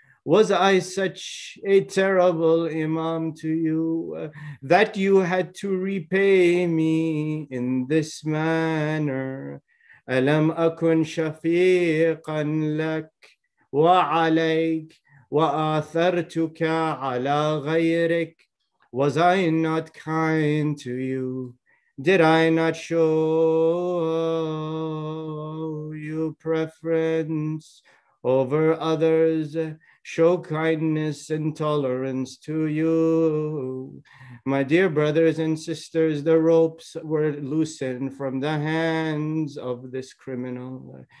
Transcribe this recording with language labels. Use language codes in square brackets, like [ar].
[en] Was I such a terrible imam to you that you had to repay me in this manner? [ar] ألم أكن شفيقا لك وعليك وآثرتك على غيرك. [en] Was I not kind to you? Did I not show you preference over others, show kindness and tolerance to you? My dear brothers and sisters, the ropes were loosened from the hands of this criminal.